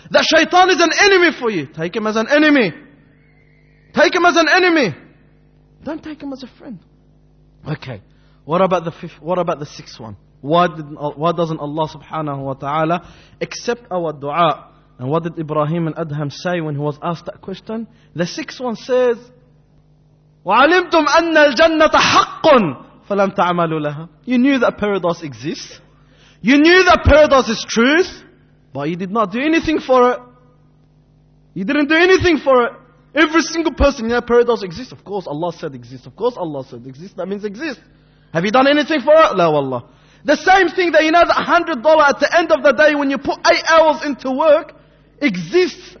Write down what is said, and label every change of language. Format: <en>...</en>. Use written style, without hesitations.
<en>That shaitan is an enemy for you. Take him as an enemy. Take him as an enemy. Don't take him as a friend. Okay. What about the sixth one? Why doesn't Allah subhanahu wa ta'ala accept our dua? And what did Ibrahim and Adham say when he was asked that question? The sixth one says,</en> <ar>وَعَلِمْتُمْ أَنَّ الْجَنَّةَ حَقٌّ فَلَمْ تَعْمَلُوا لَهَا.</ar> <en>You knew that paradise exists. You knew that paradise is truth. But you did not do anything for it. You didn't do anything for it. Every single person, yeah, paradise exists. Of course Allah said exists. Of course Allah said exists. That means exists. Have you done anything for it? La wallah. The same thing that you know that $100 at the end of the day when you put 8 hours into work exists.</en>